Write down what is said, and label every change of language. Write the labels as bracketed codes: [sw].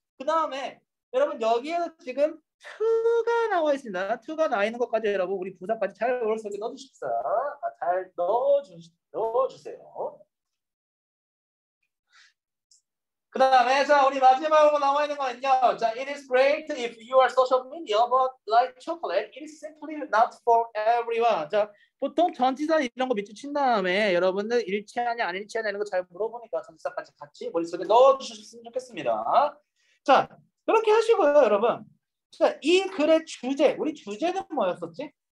[ko] 그 다음에 여러분 여기에서 지금 to가 나와 있습니다. to가 나와 있는 것까지 여러분 우리 부사까지 잘 넣어주십사. 잘 넣어주세요. 그 다음에 자 우리 마지막으로 나와 있는 거는요. [en] 자, it is great if you are social media, but like chocolate, it is simply not for everyone. [ko] 자, 보통 전치사 이런 거 밑줄 친 다음에 여러분들 일치하냐 안 일치하냐 이런 거 잘 물어보니까 전치사까지 같이 머릿속에 넣어주셨으면 좋겠습니다. 자, 그렇게 하시고요, 여러분. 자, 이 글의 주제, 우리 주제는 뭐였었지?